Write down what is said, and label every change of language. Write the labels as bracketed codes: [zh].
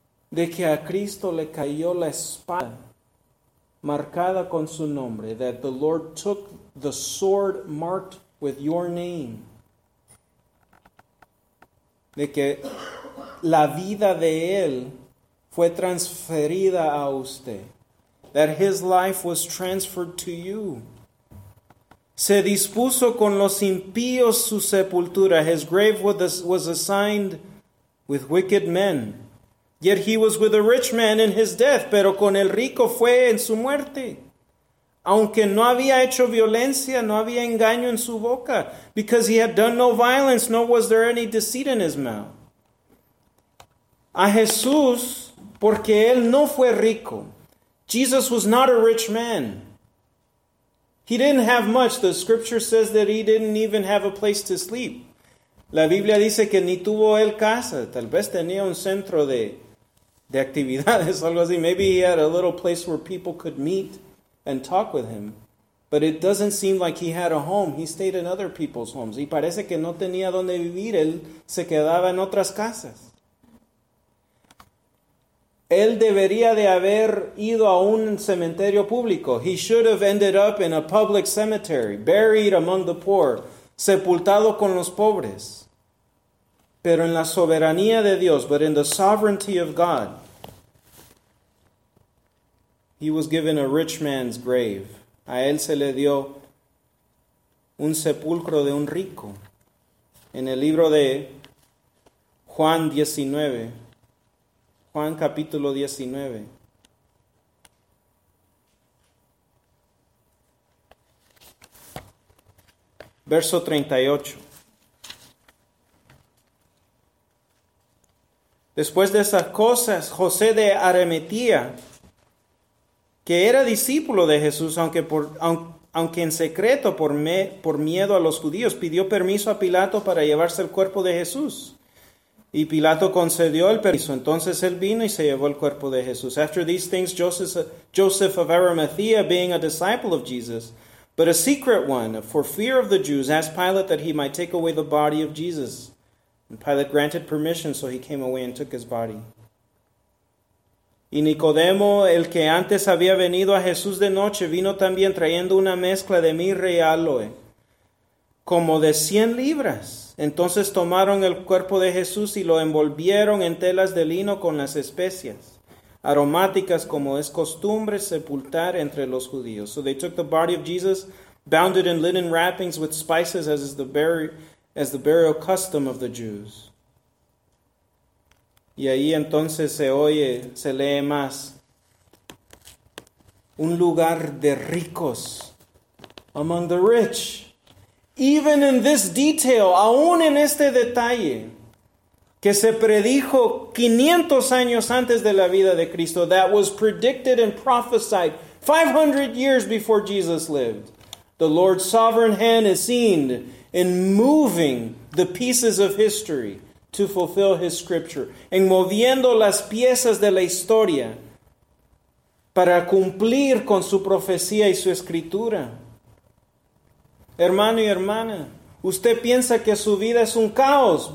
[es] De que a Cristo le cayó la espada marcada con su nombre. [en] That the Lord took the sword marked with your name. [es] De que la vida de él fue transferida a usted. [en] That his life was transferred to you. [es] Se dispuso con los impíos su sepultura. [en] His grave was assigned with wicked men. Yet he was with a rich man in his death, [es] pero con el rico fue en su muerte. Aunque no había hecho violencia, no había engaño en su boca. [en] Because he had done no violence, nor was there any deceit in his mouth. [es] A Jesús, porque él no fue rico. [en] Jesus was not a rich man. He didn't have much. The scripture says that he didn't even have a place to sleep. [es] La Biblia dice que ni tuvo él casa. Tal vez tenía un centro de actividades, algo así. [en] Maybe he had a little place where people could meet and talk with him. But it doesn't seem like he had a home. He stayed in other people's homes. [es] Y parece que no tenía donde vivir. Él se quedaba en otras casas. Él debería de haber ido a un cementerio público. [en] He should have ended up in a public cemetery, buried among the poor, [es] sepultado con los pobres. Pero en la soberanía de Dios, [en] but in the sovereignty of God, he was given a rich man's grave. [es] A él se le dio un sepulcro de un rico. En el libro de Juan 19, Juan capítulo 19, verso 38. Después de esas cosas, José de Arimatea, que era discípulo de Jesús, aunque en secreto por miedo a los judíos, pidió permiso a Pilato para llevarse el cuerpo de Jesús. Y Pilato concedió el permiso. Entonces él vino y se llevó el cuerpo de Jesús. [en] After these things, Joseph of Arimathea, being a disciple of Jesus, but a secret one, for fear of the Jews, asked Pilate that he might take away the body of Jesus. And Pilate granted permission, so he came away and took his body. [es] Y Nicodemo, el que antes había venido a Jesús de noche, vino también trayendo una mezcla de mirra y aloe, como de 100 libras. Entonces tomaron el cuerpo de Jesús y lo envolvieron en telas de lino con las especias aromáticas, como es costumbre sepultar entre los judíos. [en] So they took the body of Jesus, bound it in linen wrappings with spices, as is the burial custom of the Jews. [es] Y ahí entonces se lee más. Un lugar de ricos, [en] among the rich. Even in this detail, [es] aún en este detalle, que se predijo 500 años antes de la vida de Cristo, [en] that was predicted and prophesied 500 years before Jesus lived. The Lord's sovereign hand is seen in moving the pieces of history to fulfill His scripture. [es] En moviendo las piezas de la historia para cumplir con su profecía y su escritura. Hermano y hermana, usted piensa que su vida es un caos.